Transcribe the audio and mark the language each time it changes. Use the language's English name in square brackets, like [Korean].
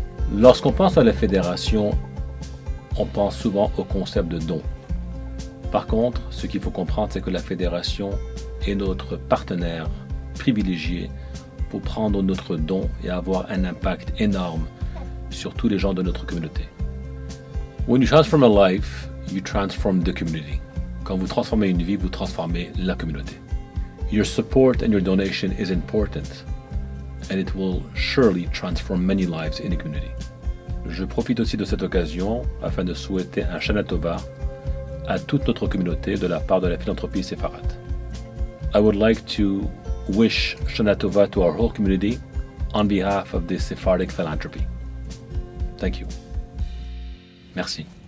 [French] Lorsqu'on pense à la Fédération, on pense souvent au concept de don. Par contre, ce qu'il faut comprendre, c'est que la Fédération est notre partenaire privilégié pour prendre notre don et avoir un impact énorme sur tous les gens de notre communauté. [English] When you transform a life, you transform the community. [French] Quand vous transformez une vie, vous transformez la communauté. [English] Your support and your donation is important, and it will surely transform many lives in the community. [French] Je profite aussi de cette occasion afin de souhaiter un Shana Tova à toute notre communauté de la part de la philanthropie Sepharat. [English] I would like to wish Shana Tova to our whole community on behalf of the Sephardic philanthropy. Thank you. [French] Merci.